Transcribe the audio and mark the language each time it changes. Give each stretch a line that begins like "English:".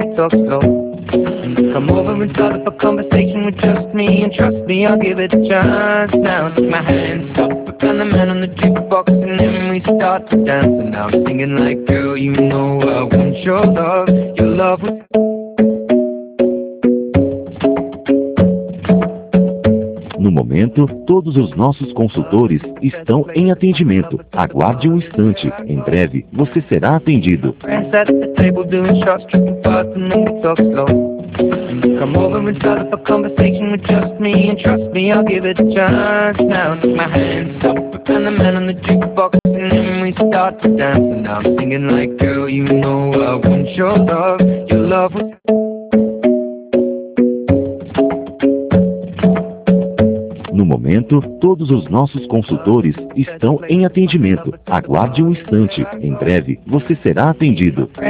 English: Come over and start up a conversation with just me, and trust me, I'll give it a chance. Now my hands up, and the man on the jukebox, and then we start to dance. And now I'm singing like, girl, you know I want your love was.
Portuguese: No momento, todos os nossos consultores estão em atendimento. Aguarde um instante, em breve, você será atendido.
English: Come over and start up a conversation with just me, and trust me, I'll give it a chance. Now my hands up, and the man on the jukebox, and then we start to dance. And now I'm singing like, girl, you know I want your love was.
Portuguese: No momento, todos os nossos consultores estão em atendimento. Aguarde um instante, em breve, você será atendido.